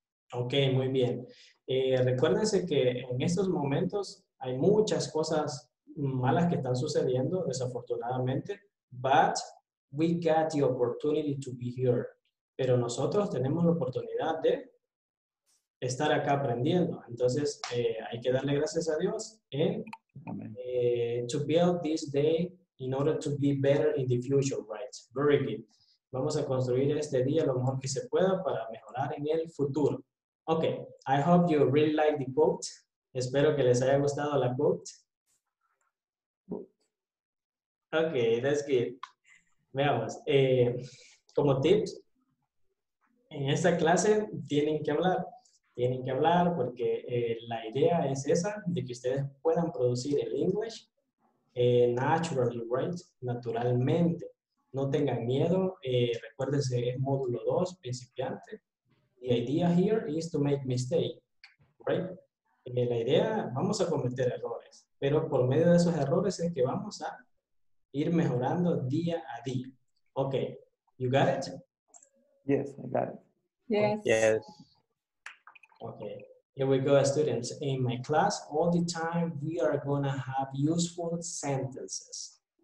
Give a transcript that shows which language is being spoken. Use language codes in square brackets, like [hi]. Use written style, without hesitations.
[es] Okay, muy bien. Recuérdense que en estos momentos hay muchas cosas malas que están sucediendo, desafortunadamente, [en] but we got the opportunity to be here. [es] Pero nosotros tenemos la oportunidad de estar acá aprendiendo. Entonces, hay que darle gracias a Dios. [en] To build this day in order to be better in the future, right? Very good. [es] Vamos a construir este día lo mejor que se pueda para mejorar en el futuro. [en] Okay, I hope you really like the quote. [es] Espero que les haya gustado la quote. [en] Okay, that's good. [es] Veamos. como tips, en esta clase tienen que hablar porque la idea es esa, de que ustedes puedan producir el [en] English naturally, right, [es] naturalmente. No tengan miedo, recuérdense, es módulo 2, principiante. [en] The idea here is to make mistakes, right? [es] La idea, vamos a cometer errores, pero por medio de esos errores es que vamos a ir mejorando día a día. [en] Ok, you got it? Yes, I got it. Yes. Okay, here we go, students. In my class, all the time, we are going to have useful sentences.